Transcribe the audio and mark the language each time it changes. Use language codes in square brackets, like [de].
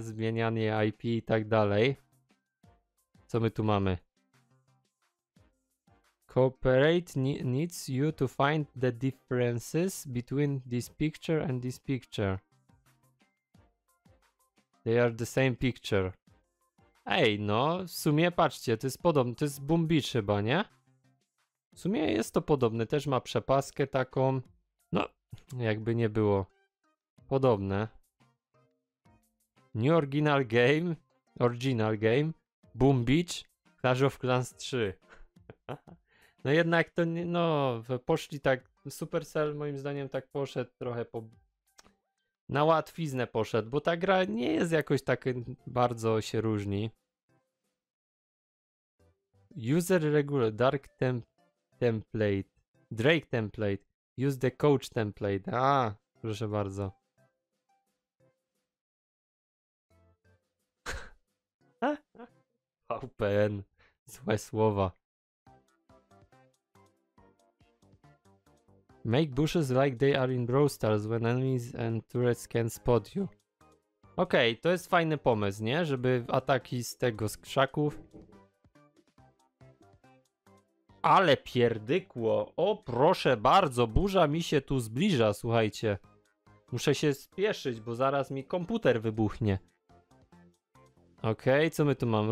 [pl] Zmienianie IP i tak dalej. Co my tu mamy? [en] Cooperate needs you to find the differences between this picture and this picture. They are the same picture. [pl] Ej, no, w sumie patrzcie, to jest podobne, to jest Boom Beach chyba, nie? W sumie jest to podobne, też ma przepaskę taką. No, jakby nie było. Podobne. [en] New Original Game, Original Game, Boom Beach, Clash of Clans 3. [pl] No jednak to nie, no, poszli tak, Supercell moim zdaniem tak poszedł trochę po, na łatwiznę poszedł, bo ta gra nie jest jakoś tak bardzo się różni. [en] User regular, dark template, Drake template, use the coach template, [pl] a, proszę bardzo. VPN, złe słowa. [en] Make bushes like they are in Brawl Stars when enemies and turrets can spot you. [pl] Okej, okay, to jest fajny pomysł, nie? Żeby ataki z tego, z krzaków. Ale pierdykło! O proszę bardzo, burza mi się tu zbliża, słuchajcie. Muszę się spieszyć, bo zaraz mi komputer wybuchnie. Okej, okay, co my tu mamy?